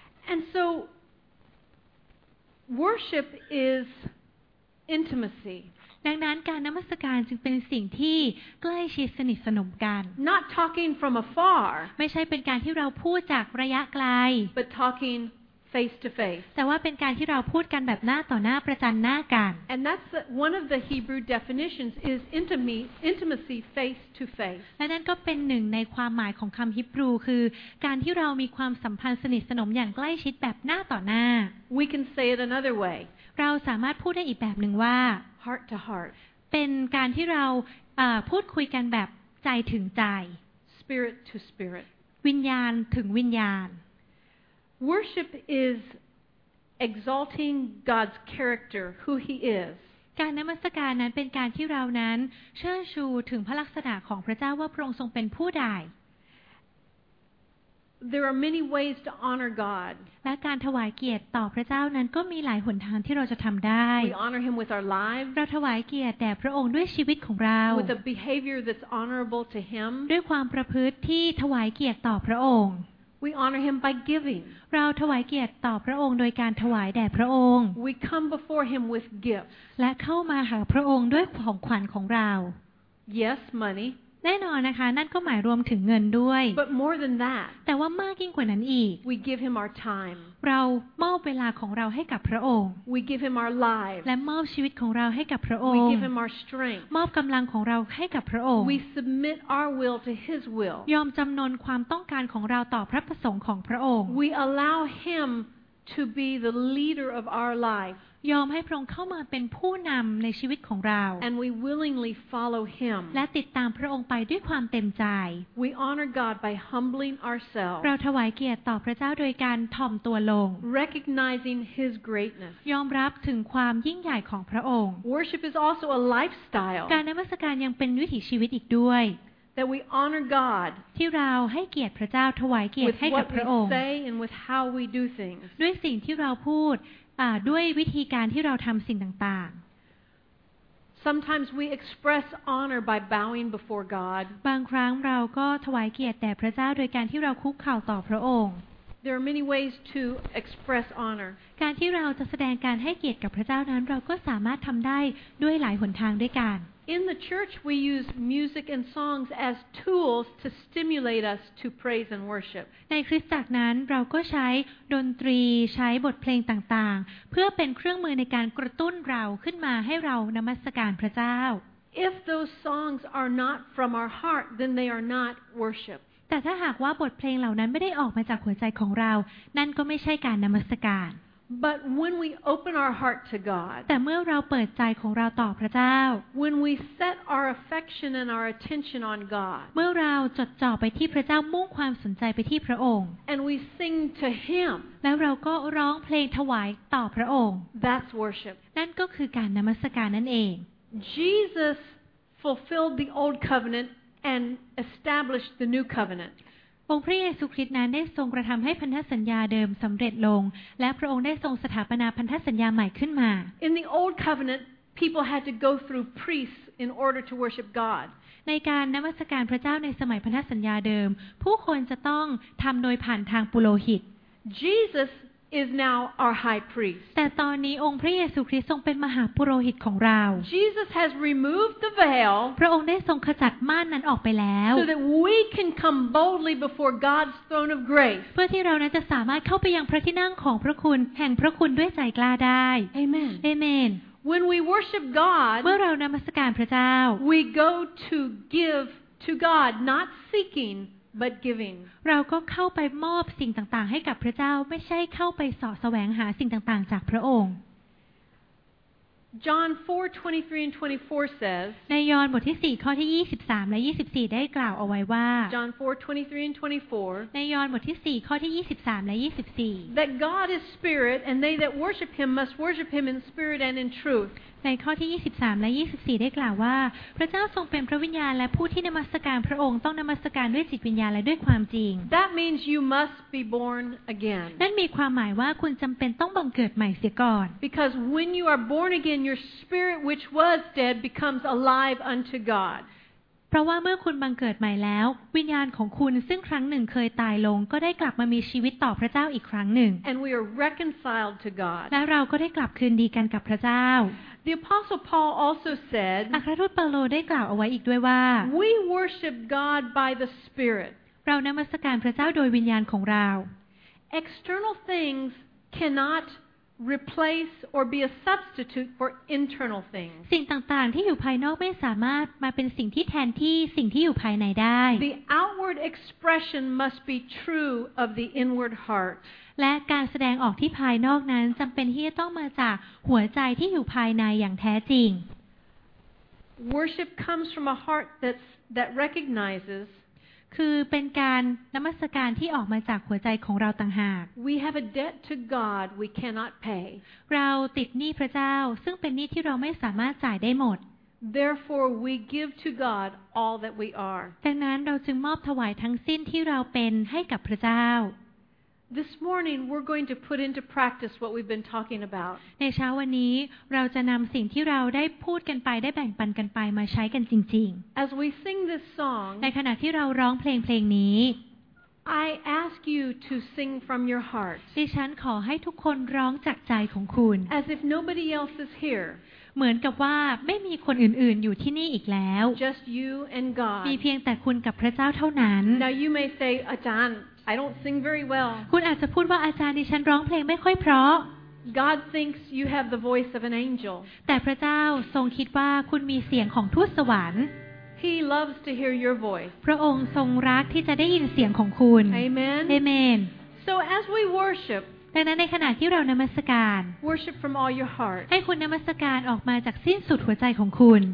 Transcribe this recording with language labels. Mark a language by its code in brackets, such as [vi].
[en] And so, worship is intimacy. [th] ดังนั้นการนมัสการจึงเป็นสิ่งที่ใกล้ชิดสนิทสนมกัน [en] Not talking from afar. [th] ไม่ใช่เป็นการที่เราพูดจากระยะไกล [en] But talking face to face. [th] แต่ว่าเป็นการที่เราพูดกันแบบหน้าต่อหน้าประจันหน้ากัน [en] And that's one of the Hebrew definitions is intimacy face to face. [th] และนั่นก็เป็นหนึ่งในความหมายของคำฮิบรูคือการที่เรามีความสัมพันธ์สนิทสนมอย่างใกล้ชิดแบบหน้าต่อหน้า [en] We can say it another way. [th] เราสามารถพูดได้อีกแบบหนึ่งว่า [en] heart to heart. [th] เป็นการที่เราพูดคุยกันแบบใจถึงใจ [en] spirit to spirit. [th] วิญญาณถึงวิญญาณ [en] Worship is exalting God's character, who He is. [th] การนมัสการนั้นเป็นการที่เรานั้นเชิดชูถึงพระลักษณะของพระเจ้าว่าพระองค์ทรงเป็นผู้ใด [en] There are many ways to honor God. [th] และการถวายเกียรติต่อพระเจ้านั้นก็มีหลายหนทางที่เราจะทำได้ [en] We honor Him with our lives. [th] เราถวายเกียรติแด่พระองค์ด้วยชีวิตของเรา [en] With a behavior that's honorable to Him. [th] ด้วยความประพฤติที่ถวายเกียรติต่อพระองค์ [en] We honor him by giving. [th] เราถวายเกียรติต่อพระองค์โดยการถวายแด่พระองค์ [en] We come before him with gifts. [th] และเข้ามาหาพระองค์ด้วยของขวัญของเรา [en] Yes, money. [th] แน่นอนนะคะนั่นก็หมายรวมถึงเงินด้วย [en] But more than that. [th] แต่ว่ามากยิ่งกว่านั้นอีก [en] We give him our time. [th] เรามอบเวลาของเราให้กับพระองค์ [en] We give him our lives. [th] และมอบชีวิตของเราให้กับพระองค์ [en] We give him our strength. [th] มอบกำลังของเราให้กับพระองค์ [en] We submit our will to his will. [th] ยอมจำนนความต้องการของเราต่อพระประสงค์ของพระองค์ [en] We allow him to be the leader of our life. [th] ยอมให้พระองค์เข้ามาเป็นผู้นำในชีวิตของเรา [en] And we willingly follow him. [th] และติดตามพระองค์ไปด้วยความเต็มใจ [en] We honor God by humbling ourselves. [th] เราถวายเกียรติต่อพระเจ้าโดยการถ่อมตัวลง [en] Recognizing his greatness. [th] ยอมรับถึงความยิ่งใหญ่ของพระองค์ [en] Worship is also a lifestyle. [th] การนมัสการยังเป็นวิถีชีวิตอีกด้วย [en] That we honor God. [th] ที่เราให้เกียรติพระเจ้าถวายเกียรติให้กับพระองค์ [en] With what we say and with how we do things. [th] ด้วยสิ่งที่เราพูดด้วยวิธีการที่เราทำสิ่งต่าง [en] ๆ Sometimes we express honor by bowing before God. [th] บางครั้งเราก็ถวายเกียรติแด่พระเจ้าโดยการที่เราคุกเข่าต่อพระองค์ [en] There are many ways to express honor. [th] การที่เราจะแสดงการให้เกียรติกับพระเจ้านั้นเราก็สามารถทำได้ด้วยหลายหนทางด้วยกัน [en] In the church, we use music and songs as tools to stimulate us to praise and worship. [th] ในคริสตจักรนั้นเราก็ใช้ดนตรีใช้บทเพลงต่างๆเพื่อเป็นเครื่องมือในการกระตุ้นเราขึ้นมาให้เรานมัสการพระเจ้า [en] If those songs are not from our heart, then they are not worship. [th] แต่ถ้าหากว่าบทเพลงเหล่านั้นไม่ได้ออกมาจากหัวใจของเรานั่นก็ไม่ใช่การนมัสการ [en] But when we open our heart to God, [th] แต่เมื่อเราเปิดใจของเราต่อพระเจ้า [en] when we set our affection and our attention on God, [th] เมื่อเราจดจ่อไปที่พระเจ้ามุ่งความสนใจไปที่พระองค์ [en] and we sing to Him, [th] แล้วเราก็ร้องเพลงถวายต่อพระองค์ [en] that's worship. [th] นั่นก็คือการนมัสการนั่นเอง [en] Jesus fulfilled the old covenant and established the new covenant. [th] องค์พระเยซูคริสต์นั้นได้ทรงกระทำให้พันธสัญญาเดิมสำเร็จลงและพระองค์ได้ทรงสถาปนาพันธสัญญาใหม่ขึ้นมา [en] In the old covenant, people had to go through priests in order to worship God. [th] ในการนมัสการพระเจ้าในสมัยพันธสัญญาเดิมผู้คนจะต้องทำโดยผ่านทางปุโรหิต [en] Jesus is now our high priest. [th] แต่ตอนนี้องค์พระเยซูคริสต์ทรงเป็นมหาปุโรหิตของเรา [en] Jesus has removed the veil. [th] พระองค์ได้ทรงขจัดม่านนั้นออกไปแล้ว [en] So that we can come boldly before God's throne of grace. [th] เพื่อที่เรานั้นจะสามารถเข้าไปยังพระที่นั่งของพระคุณแห่งพระคุณด้วยใจกล้าได้ [en] Amen. Amen. When we worship God, [th] เมื่อเรานมัสการพระเจ้า [en] we go to give to God, not seeking but giving. [th] เราก็เข้าไปมอบสิ่งต่างๆให้กับพระเจ้าไม่ใช่เข้าไปเสาะแสวงหาสิ่งต่างๆจากพระองค์ [en] John 4:23 and 24 says [th] ในยอห์นบทที่4ข้อที่23และ24ได้กล่าวเอาไว้ว่า [en] John 4:23 and 24 [th] ในยอห์นบทที่4ข้อที่23และ24 [en] That God is spirit and they that worship him must worship him in spirit and in truth [th] ในข้อที่23และ24ได้กล่าวว่าพระเจ้าทรงเป็นพระวิญญาณและผู้ที่นมัสการพระองค์ต้องนมัสการด้วยจิตวิญญาณและด้วยความจริง [en] That means you must be born again. [th] นั่นมีความหมายว่าคุณจำเป็นต้องบังเกิดใหม่เสียก่อน [en] Because when you are born again, your spirit which was dead becomes alive unto God. [th] เพราะว่าเมื่อคุณบังเกิดใหม่แล้ววิญญาณของคุณซึ่งครั้งหนึ่งเคยตายลงก็ได้กลับมามีชีวิตต่อพระเจ้าอีกครั้งหนึ่ง [en] And we are reconciled to God. [th] และเราก็ได้กลับคืนดีกันกับพระเจ้า [en] The Apostle Paul also said [th] อัครทูตเปาโลได้กล่าวเอาไว้อีกด้วยว่า [en] We worship God by the Spirit. [th] เรานมัสการพระเจ้าโดยวิญญาณของเรา [en] External things cannotreplace or be a substitute for internal things [th] สิ่งต่างๆที่อยู่ภายนอกไม่สามารถมาเป็นสิ่งที่แทนที่สิ่งที่อยู่ภายในได้ [en] The outward expression must be true of the inward heart [th] และการแสดงออกที่ภายนอกนั้นจำเป็นที่จะต้องมาจากหัวใจที่อยู่ภายในอย่างแท้จริง [en] Worship comes from a heart that recognizes [th] คือเป็นการนมัสการที่ออกมาจากหัวใจของเราต่างหาก [en] We have a debt to God we cannot pay [th] เราติดหนี้พระเจ้าซึ่งเป็นหนี้ที่เราไม่สามารถจ่ายได้หมด [en] Therefore we give to God all that we are [th] ดังนั้นเราจึงมอบถวายทั้งสิ้นที่เราเป็นให้กับพระเจ้า [en] This morning we're going to put into practice what we've been talking about [th] ในเช้าวันนี้เราจะนำสิ่งที่เราได้พูดกันไปได้แบ่งปันกันไปมาใช้กันจริง [en] ๆ As we sing this song [th] ในขณะที่เราร้องเพลงนี้ [en] I ask you to sing from your heart [th] ดิฉันขอให้ทุกคนร้องจากใจของคุณ [en] As if nobody else is here [th] เหมือนกับว่าไม่มีคนอื่นๆอยู่ที่นี่อีกแล้ว [en] Just you and God [th] มีเพียงแต่คุณกับพระเจ้าเท่านั้น [en] Now you may say อาจารย์I don't sing very well. [th] คุณอาจจะพูดว่าอาจารย์ดิฉันร้องเพลงไม่ค่อยเพราะ [en] God thinks you have the voice of an angel. [th] แต่พระเจ้าทรงคิดว่าคุณมีเสียงของทูตสวรรค์ [en] He loves to hear your voice. [th] พระองค์ทรงรักที่จะได้ยินเสียงของคุณ [en] Amen. Amen. So as we worship, [th] ดังนั้นในขณะที่เรานมัสการ [en] worship from all your heart. [th] ให้คุณนมัสการออกมาจากสิ้นสุดหัวใจของคุณ